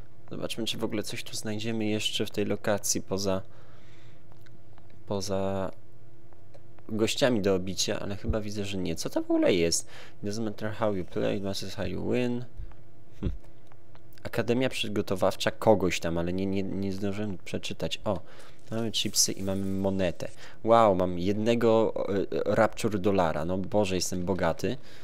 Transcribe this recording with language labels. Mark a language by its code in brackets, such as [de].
[pl] Zobaczmy, czy w ogóle coś tu znajdziemy jeszcze w tej lokacji poza gościami do obicia, ale chyba widzę, że nie. Co to w ogóle jest? [en] It doesn't matter how you play, it matters how you win. [pl] Akademia przygotowawcza kogoś tam, ale nie zdążyłem przeczytać. O, mamy chipsy i mamy monetę. Wow, mam jednego rapture dolara. No Boże, jestem bogaty.